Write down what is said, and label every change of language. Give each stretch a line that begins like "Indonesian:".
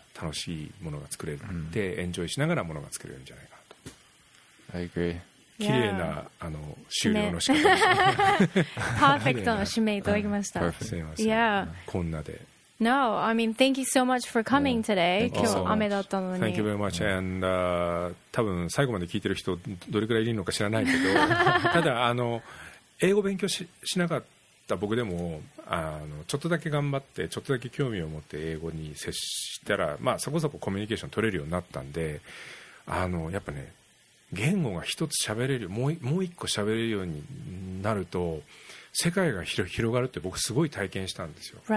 Japanese: 楽しいものが作れて、うん、エンジョイしながらものが作れるんじゃないかなと。
English: I agree。
Japanese: 綺麗なあの終了の仕方、ね、パーフェクトの締めいただきました。すいません、yeah. こんなで。
English: No, I mean, thank you so much for coming today.
Japanese: 今日雨だったのに。
English: Thank you very much.
Japanese: And, 多分最後まで聞いてる人どれくらいいるのか知らないけど、ただあの英語勉強 しなかった僕でも、あのちょっとだけ頑張って、ちょっとだけ興味を持って英語に接したら、まあ、そこそこコミュニケーション取れるようになったんで、あのやっぱね、言語が一つ喋れる、もう一個喋れるようになると世界が広がるって僕すごい体験したんですよ。